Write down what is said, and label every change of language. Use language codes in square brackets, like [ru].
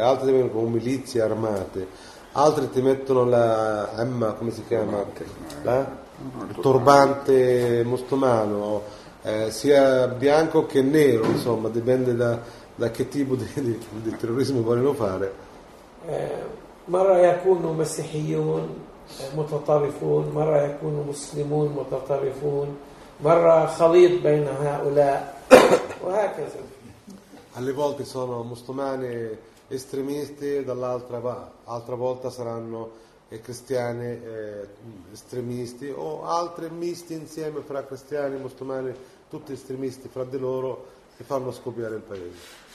[it] Altre ti vengono con milizie armate. Altre ti mettono la emma, come si chiama? La turbante musulmano, sia bianco che nero, insomma, dipende da che tipo di terrorismo vogliono fare. [ar] مرة يكونوا مسيحيون متطرفون مرة يكونوا مسلمون متطرفون مرة خليط بين هؤلاء وهكذا. [it] Alle volte sono musulmani estremisti, dall'altra altra volta saranno cristiani estremisti o altri misti insieme fra cristiani e musulmani, tutti estremisti fra di loro che fanno scoppiare il paese.